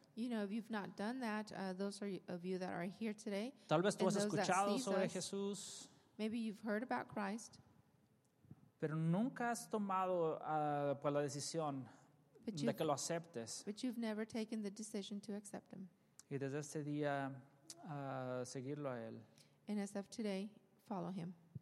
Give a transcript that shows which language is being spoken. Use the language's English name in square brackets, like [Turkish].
[English] You know, if you've not done that, those of you that are here today. [Spanish] Tal vez tú has escuchado sobre Jesús. [English] Maybe you've heard about Christ. [Spanish] Pero nunca has tomado pues la decisión de que lo aceptes. [English] But you've never taken the decision to accept him. [Spanish] Y desde ese día seguirlo a él. [English] And as of today, follow him.